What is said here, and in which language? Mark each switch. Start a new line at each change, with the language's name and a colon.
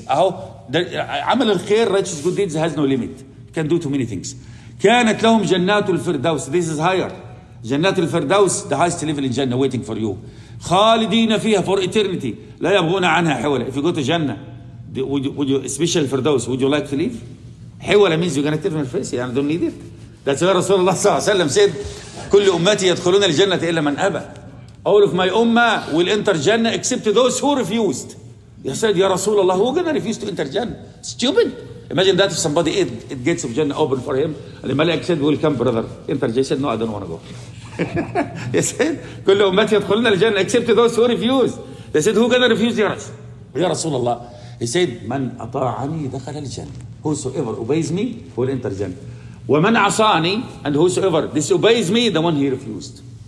Arabic: عمل الخير,
English: righteous good deeds has no limit. Can do too many things.
Arabic: كانت لهم جنات الفردوس.
English: This is higher. جنات الفردوس, the highest level in Jannah waiting for you. خالدين فيها for eternity.
Arabic: لا يبغون عنها حولا.
English: If you go to Jannah, would you special firdaus, would you like to leave? حولة means you're going to turn your face. Yeah, I don't need it. That's why
Arabic: رسول الله صلى الله عليه وسلم said, كل أمتي يدخلون الجنة إلا من أبى.
English: All of my ummah will enter Jannah except those who refused. He said, يا رسول الله, who gonna refuse to enter Jannah? Stupid. Imagine that if somebody ate the gates of Jannah open for him. And the Malik said, we'll come, brother. Enter Jannah. He said, no, I don't want to go. He said,
Arabic: كل أمتي يدخلون الجنة
English: except those who refused. They said, who gonna refuse your answer?
Arabic: يا رسول الله.
English: He said,
Arabic: من أطاعني دخل الجنة.
English: Whosoever obeys me will enter Jannah.
Arabic: ومن عصاني
English: and whosoever disobeys me, the one he refused.